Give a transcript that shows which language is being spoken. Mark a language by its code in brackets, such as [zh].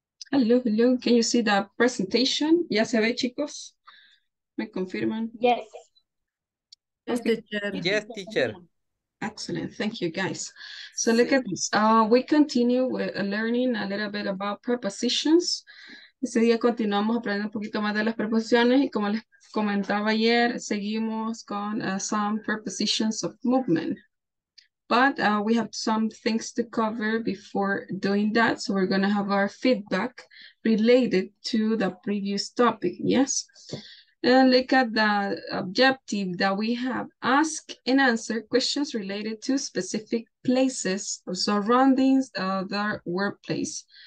[en] Hello, hello, can you see the presentation? Ya se ve, chicos? Me confirman? Yes. Yes, teacher. Yes, teacher. Excellent, thank you guys. So look at this. We continue with learning a little bit about prepositions. [es] Ese día continuamos aprendiendo un poquito más de las preposiciones y como les comentaba ayer, seguimos con some prepositions of movement. [en] But we have some things to cover before doing that. So we're going to have our feedback related to the previous topic, yes? And look at the objective that we have. Ask and answer questions related to specific places or surroundings of their workplace.